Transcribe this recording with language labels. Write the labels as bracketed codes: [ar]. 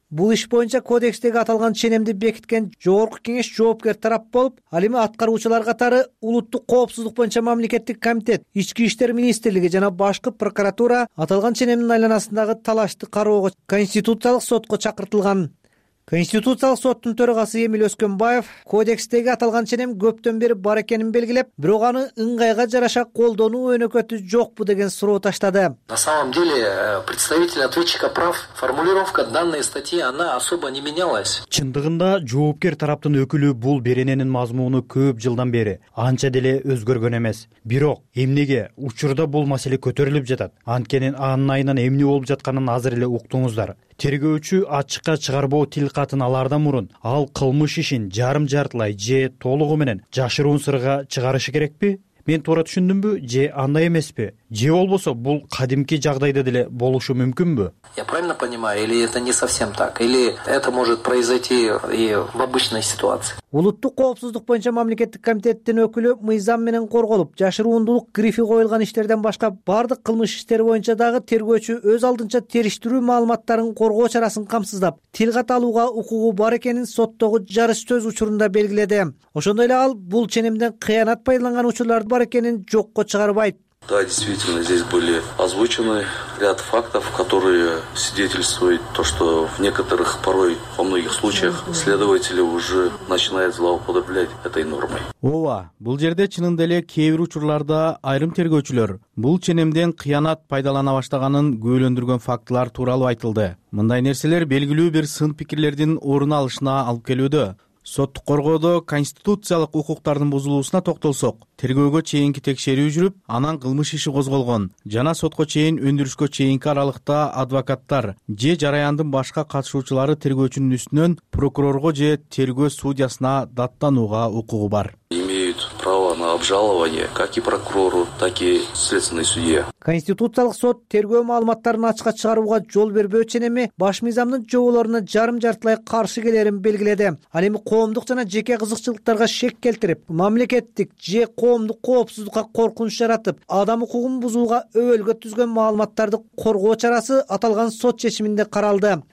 [ky] Бул иш боюнча кодекстеги аталган ченемди бекиткен жогорку кеңеш жоопкер тарап болуп, ал эми аткаруучулар катары улуттук коопсуздук боюнча мамлекеттик комитет, ички иштер министрлиги жана башкы прокуратура аталган ченемдин айланасындагы талашты кароого конституциялык сотко чакыртылган. Конституциялык соттун төрагасы Эмиль Өскөнбаев кодекстеги аталган ченем көптөн бери бар экенин белгилеп, бирок аны ыңгайга жараша колдонуу өнөкөтү жокпу деген суроо таштады. [ru] На самом деле представитель ответчика прав, формулировка данной статьи она особо не менялась. [ky] Чындыгында жоопкер тараптын өкүлү бул беренинин мазмуну көп жылдан бери анча деле өзгөргөн эмес. Бирок эмнеге учурда бул маселе көтөрүлүп жатат? Анткени анын айынан эмне болуп жатканын азыр эле уктуңуздар. Тергөөчү ачыкка чыгарбоо тил катын алардан мурун ал кылмыш ишин жарым жартылай же толугу менен жашыруун сырга чыгарышы керекпи? Мен туура түшүндүмбү же андай эмеспи? Же болбосо бул кадимки жагдайда деле болушу мүмкүнбү? [ru] Я правильно понимаю, или это не совсем так? Или это может произойти и в обычной ситуации? [ky] Улуттук коопсуздук боюнча мамлекеттик комитеттин өкүлү мыйзам менен корголуп, жашыруундук грифи коюлган иштерден башка бардык кылмыш иштери боюнча дагы тергөөчү өз алдынча териштирүү маалыматтарын коргоо чарасын камсыздап, тил кат алууга укугу бар экенин соттогу жарыш сөз учурунда белгиледи. Ошондой эле ал бул ченемден кыянат пайдаланган учурлар бар экенин жокко чыгарбайт. [ru] Да, действительно, здесь были озвучены ряд фактов, которые свидетельствуют то, что в некоторых, порой, во многих случаях, следователи уже начинают злоупотреблять этой нормой. [ky] Ооба, бул жерде чынында эле кээ бир учурларда айрым тергөөчүлөр бул ченемден кыянат пайдалана баштаганын күбөлөндүргөн фактылар тууралуу айтылды. Мындай нерселер белгилүү бир сын пикирлердин орун алышына алып келүүдө. Соттук коргоодо конституциялык укуктардын бузулуусуна токтолсок, тергөөгө чейинки текшерүү жүрүп, анан кылмыш иши козголгон жана сотко чейин өндүрүшкө чейинки аралыкта адвокаттар же жараяндын башка катышуучулары тергөөчүнүн үстүнөн прокурорго же тергөө судьясына даттанууга укугу бар. [ru] Право на обжалование как и прокурору, так и следственной судье. [ky] Конституциялык сот тергөө маалыматтарын ачыкка чыгарууга жол бербөө ченеми баш мыйзамдын жоболоруна жарым-жартылай каршы келерин белгиледи. Ал эми коомдук жана жеке кызыкчылыктарга шек келтирип, мамлекеттик же коомдук коопсуздукка коркунуч жаратып, адам укугун бузууга өбөлгө түзгөн маалыматтарды коргоо чарасы аталган сот чечиминде каралды.